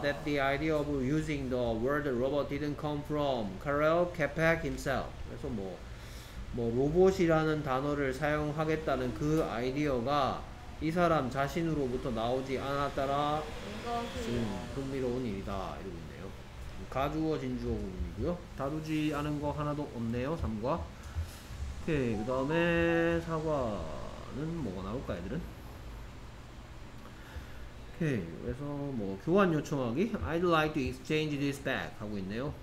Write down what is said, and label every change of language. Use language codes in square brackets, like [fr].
[en] That the idea of using the word robot didn't come from Karel Capek himself. [ko] 그래서 뭐 로봇이라는 단어를 사용하겠다는 그 아이디어가 이 사람 자신으로부터 나오지 않았다라 흥미로운 일이다 이러고 있네요. 가주어 진주어 구문이고요. 다루지 않은 거 하나도 없네요. 3과 오케이, 그 다음에 사과는 뭐가 나올까 애들은? 오케이, 그래서 뭐 교환 요청하기? [en] I'd like to exchange this back [ko] 하고 있네요.